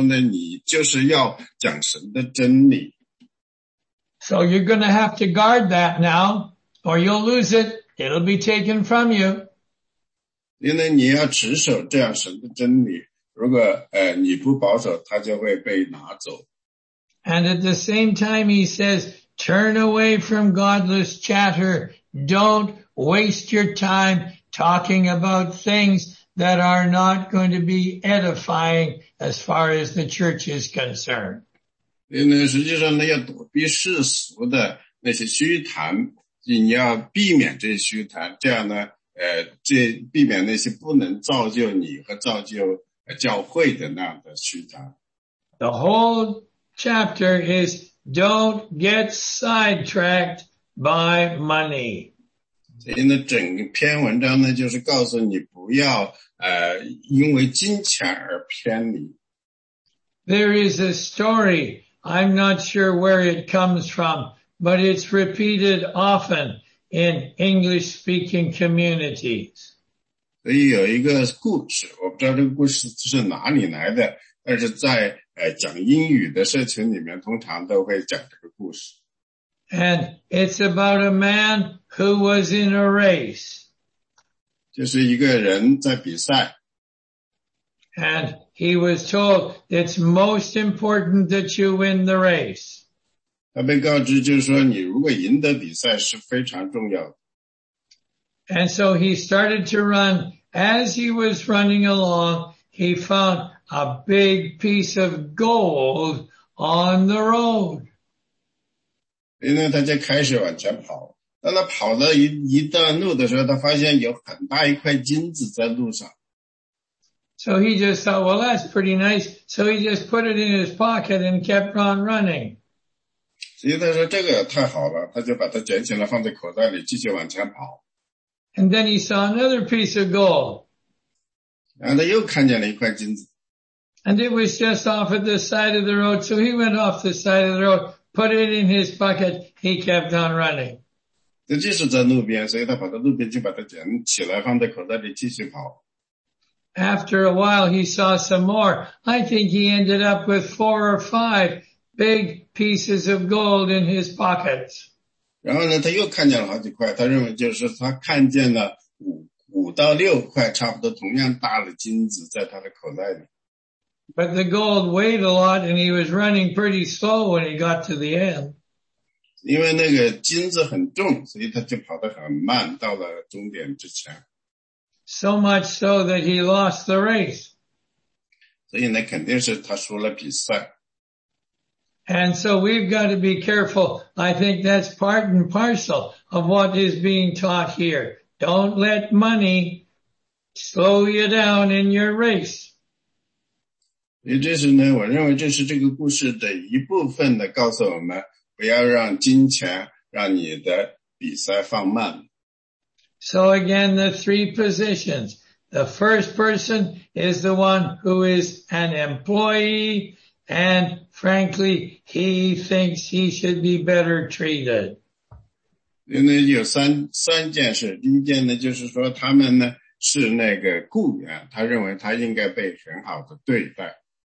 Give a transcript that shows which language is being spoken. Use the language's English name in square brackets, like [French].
[Chinese] 在这里，使徒保罗跟提摩太说呢，你就是要讲神的真理。 [English] So you're going to have to guard that now, or you'll lose it. It'll be taken from you. [Chinese] 因为你要持守这样神的真理。如果你不保守，他就会被拿走。 [English] And at the same time, he says, turn away from godless chatter. Don't waste your time talking about things that are not going to be edifying as far as the church is concerned. [Chinese] 因为实际上呢，要躲避世俗的那些虚谈，你要避免这些虚谈，这样呢，这避免那些不能造就你和造就教会的那样的虚谈。 [English] The whole chapter is don't get sidetracked by money. [Chinese] 所以呢，整篇文章呢，就是告诉你不要因为金钱而偏离。 [English] There is a story. I'm not sure where it comes from, but it's repeated often in English-speaking communities. [Chinese] 所以有一个故事，我不知道这个故事是哪里来的，但是在讲英语的社群里面，通常都会讲这个故事。 [English] And it's about a man who was in a race. [Chinese] 就是一个人在比赛。 [English] And he was told, it's most important that you win the race. [Chinese] 他被告知就是说你如果赢得比赛是非常重要的。 [English] And so he started to run. As he was running along, he found a big piece of gold on the road. [Chinese] 因为他就开始往前跑。当他跑了 一段路的时候，他发现有很大一块金子在路上。 [English] So he just thought, well, that's pretty nice. So he just put it in his pocket and kept on running. [Chinese] 所以他说这个太好了，他就把它捡起来放在口袋里，继续往前跑。 [English] And then he saw another piece of gold. [Chinese] 然后他又看见了一块金子。 [English] And it was just off at the side of the road. So he went off the side of the road, put it in his pocket. He kept on running. [Chinese] 这就是在路边，所以他跑到路边就把它捡起来放在口袋里继续跑。 [English] After a while, he saw some more. I think he ended up with 4 or 5 big pieces of gold in his pockets. [Chinese] 然后呢，他又看见了好几块，他认为就是他看见了5到6块差不多同样大的金子在他的口袋里。 [English] But the gold weighed a lot and he was running pretty slow when he got to the end. [Chinese] 因为那个金子很重，所以他就跑得很慢，到了终点之前。 [English] So much so that he lost the race. [Chinese] 所以呢，肯定是他输了比赛。 [English] And so we've got to be careful. I think that's part and parcel of what is being taught here. Don't let money slow you down in your race. [Chinese] 也就是呢，我认为这是这个故事的一部分的，告诉我们不要让金钱让你的比赛放慢。 [English] So again, the 3 positions. The first person is the one who is an employee, and frankly, he thinks he should be better treated. [Chinese] 因为有三件事，第一件呢，就是说他们呢是那个雇员，他认为他应该被很好的对待。